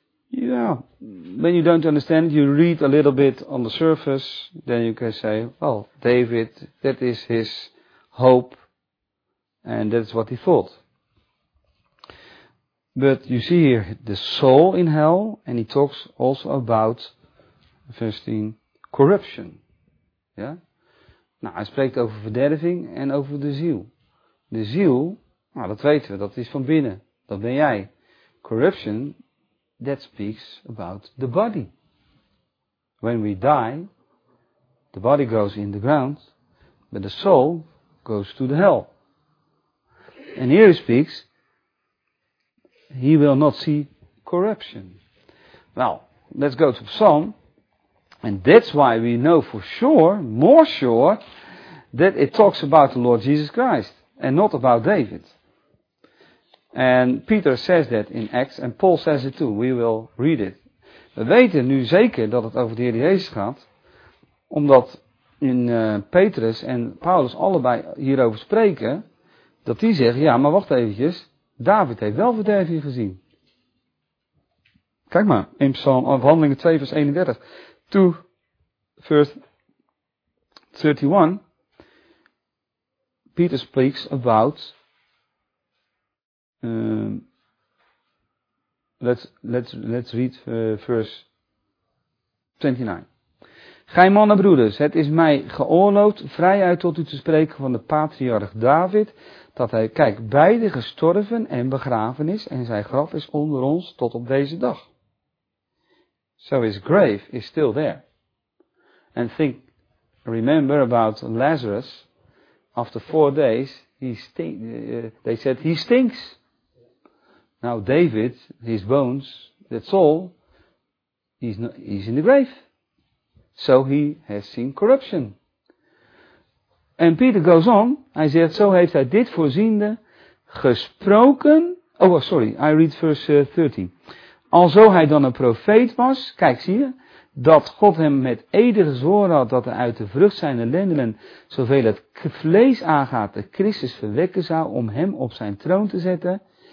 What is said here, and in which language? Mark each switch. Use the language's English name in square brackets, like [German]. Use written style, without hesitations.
[English] Yeah, when you don't understand, you read a little bit on the surface, then you can say, well, David, that is his hope, and that's what he thought. But you see here the soul in hell, and he talks also about, verse 10, corruption. [Dutch] Yeah? Nou, hij spreekt over verderving en over de ziel. De ziel, nou, dat weten we, dat is van binnen, dat ben jij. [English] Corruption, that speaks about the body. When we die, the body goes in the ground, but the soul goes to the hell. And here he speaks, he will not see corruption. Well, let's go to Psalm, and that's why we know for sure, more sure, that it talks about the Lord Jesus Christ, and not about David. And Peter says that in Acts, and Paul says it too. We will read it. [Dutch] We weten nu zeker dat het over de Heer Jezus gaat, omdat in Petrus en Paulus allebei hierover spreken, dat die zeggen, ja, maar wacht eventjes, David heeft wel verderving gezien. Kijk maar, in Psalm of Handelingen 2, vers 31, [English] to verse 31, Peter speaks about let's read verse 29. [Dutch] Gij mannen broeders, het is mij geoorloofd vrijuit tot u te spreken van de patriarch David, dat hij, kijk, beide gestorven en begraven is, en zijn graf is onder ons tot op deze dag. [English] So his grave is still there. And think, remember about Lazarus, after 4 days, they said he stinks. Now David, his bones, that's all, he's in the grave. So he has seen corruption. And Peter goes on, [Dutch] hij zegt, zo heeft hij dit voorziende gesproken. [English] Oh, sorry, I read verse 13. [Dutch] Alzo hij dan een profeet was, kijk, zie je, dat God hem met ede gezworen had dat hij uit de vrucht zijnde lendenen, zoveel het vlees aangaat, de Christus verwekken zou om hem op zijn troon te zetten.